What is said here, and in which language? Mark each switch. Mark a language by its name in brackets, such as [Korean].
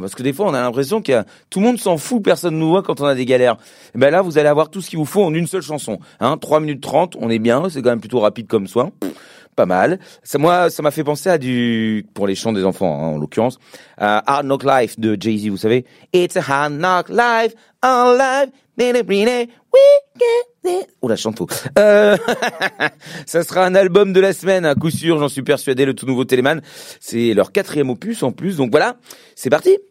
[French] Parce que des fois, on a l'impression que tout le monde s'en fout. Personne ne nous voit quand on a des galères. Et ben là, vous allez avoir tout ce qu'il vous faut en une seule chanson. Hein, 3 minutes 30, on est bien. C'est quand même plutôt rapide comme soin. Pas mal. Ça m'a fait penser à du, pour les chants des enfants, hein, en l'occurrence, Hard Knock Life de Jay-Z, vous savez. [English] It's a hard knock life, all life, we get it. [French] Oh, la chante faux. ça sera un album de la semaine, à coup sûr, j'en suis persuadé, le tout nouveau Téléman. C'est leur 4e opus en plus, donc voilà, c'est parti.